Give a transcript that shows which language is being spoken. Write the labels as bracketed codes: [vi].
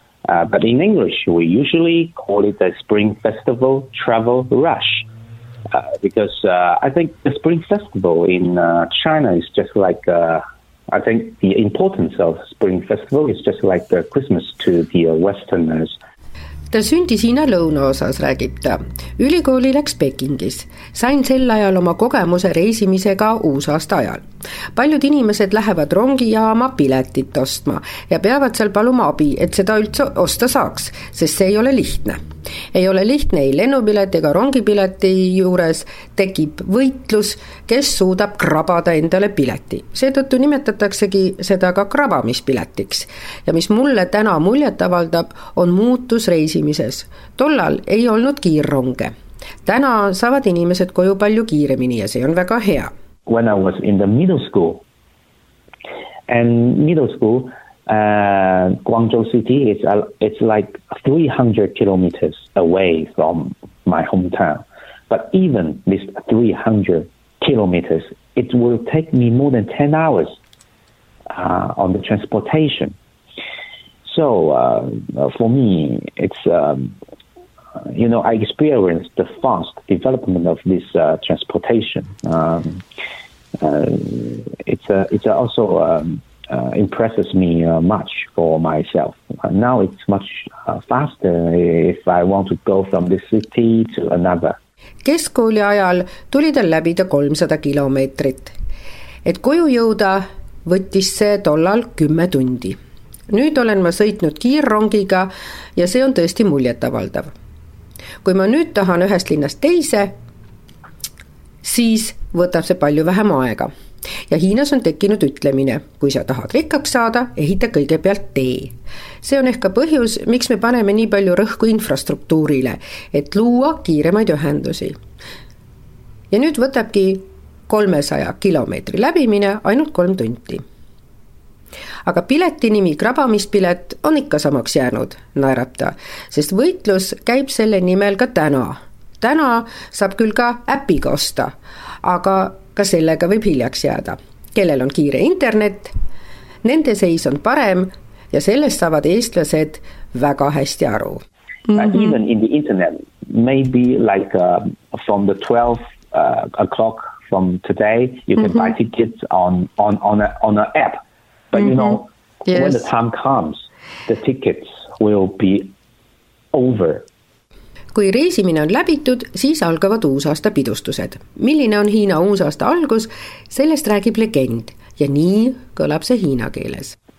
[en] But in English, we usually call it the Spring Festival Travel Rush. Because I think the Spring Festival in China is just like, I think the importance of Spring Festival is just like Christmas to the Westerners. [et] Ta sündis Hiina lõunaosas, räägib ta. Ülikooli läks Pekingis. Sain sel ajal oma kogemuse reisimisega uusaasta ajal. Paljud inimesed lähevad rongi jaama piletit ostma ja peavad seal paluma abi, et seda üldse osta saaks, sest see ei ole lihtne. Ei ole lihtne ei lennupilet ega rongipileti juures, tekib võitlus, kes suudab krabada endale pileti. Seetõttu nimetataksegi seda ka krabamispiletiks. Ja mis mulle täna muljet avaldab, on muutus reisimises. Tollal ei olnud kiirronge. Täna saavad inimesed koju palju kiiremini ja see on väga hea. [en] When I was in the middle school, and middle school, Guangzhou City is it's like 300 kilometers away from my hometown. But even this 300 kilometers, it will take me more than 10 hours on the transportation. So for me, it's, you know, I experienced the fast development of this transportation. It also impresses me much for myself. Now it's much faster if I want to go from this city to another. [et] Keskkooli ajal tuli tal läbida 300 kilomeetrit. Et koju jõuda, võttis see tollal 10 tundi. Nüüd olen ma sõitnud kiirrongiga ja see on tõesti muljetavaldav. Kui ma nüüd tahan ühest linnast teise, siis võtab see palju vähem aega. Ja Hiinas on tekinud ütlemine, kui sa tahad rikkaks saada, ehita kõigepealt tee. See on ehka põhjus, miks me paneme nii palju rõhku infrastruktuurile, et luua kiiremaid ühendusi. Ja nüüd võtabki 300 kilomeetri läbimine ainult 3 tundi. Aga pileti nimi krabamispilet on ikka samaks jäänud, naerab ta, sest võitlus käib selle nimel ka täna. Täna saab küll ka äppiga osta, aga ka sellega võib hiljaks jääda. Kellel on kiire internet, nende seis on parem ja sellest saavad eestlased väga hästi aru. [en] Even in the internet, maybe like from the 12 o'clock from today, you can buy tickets on an app. But you know, when the time comes, the tickets will be over. [et] Kui reisimine on läbitud, siis algavad uusaasta pidustused. Milline on Hiina uusaasta algus, sellest räägib legend. Ja nii kõlab see hiina keeles.